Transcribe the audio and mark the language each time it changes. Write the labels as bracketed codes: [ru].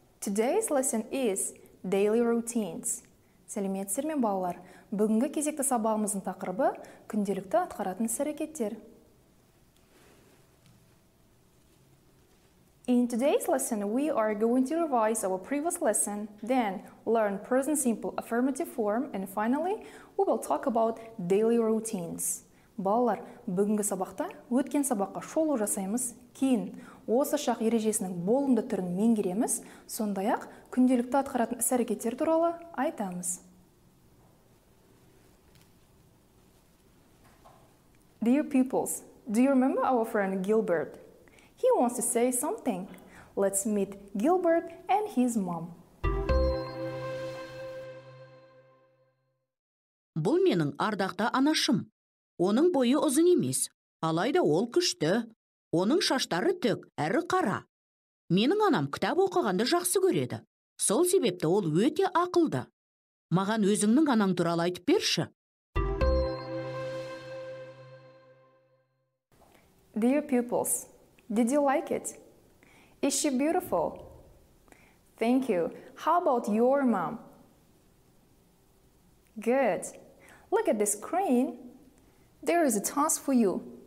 [en] Today's lesson is daily routines. [kk] Сәлеметсіздер ме, балалар? Бүгінгі кезекті сабағымыздың тақырыбы – күнделікті атқаратын іс-әрекеттер. [en] In today's lesson, we are going to revise our previous lesson, then learn present simple affirmative form, and finally, we will talk about daily routines. [kk] Балалар, бүгінгі сабақта өткен сабаққа шолу жасаймыз, кейін осы шақ ережесінің болымды түрін меңгереміз, сондай-ақ күнделікті атқаратын іс-әрекеттер туралы айтамыз. [en] Dear pupils, do you remember our friend Gilbert? He wants to say something. Let's meet Gilbert and his mom. [kk] Бұл менің ардақты анашым. Оның бойы ұзын емес, алайда ол күшті. Оның шаштары тік, әрі қара. Менің анам кітап оқығанды жақсы көреді. Сол себепті ол өте ақылды. Маған өзіңнің анаң туралы айтып берші. [en] Dear pupils, did you like it? Is she beautiful? Thank you. How about your mom? Good. Look at the screen. There is a task for you.